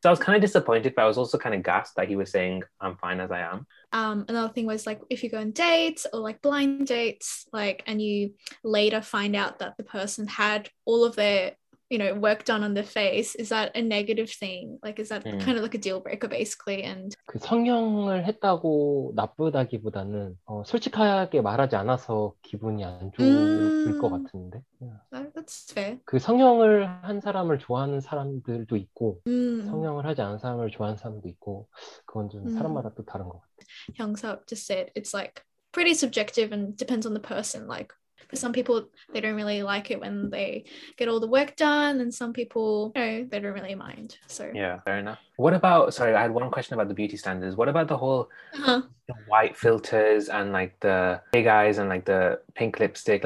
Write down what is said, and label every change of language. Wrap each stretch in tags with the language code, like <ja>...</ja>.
<en>So I was kind of disappointed, but I was also kind of gassed that he was saying I'm fine as I am. Another thing was like, if you go on dates or like blind dates, like, and you later find out that the person had all of their, you know, work done on the face, is that a negative thing? Like, is that kind of like a deal breaker, basically? And</en> <ko>그 성형을 했다고 나쁘다기보다는 솔직하게 말하지 않아서 기분이 안 좋을 것 같은데.</ko> <en>That's fair.</en> <ko>그 성형을 한 사람을 좋아하는 사람들도 있고, 성형을 하지 않은 사람을 좋아하는 사람도 있고, 그건 좀 사람마다 또 다른 것 같아.</ko> <en>HyungSeop just said it's like pretty subjective and depends on the person, like. For some people, they don't really like it when they get all the work done, and some people, you know, they don't really mind. So yeah, fair enough. What about, sorry, I had one question about the beauty standards. What about the whole white filters and like the big eyes and like the pink lipstick?</en>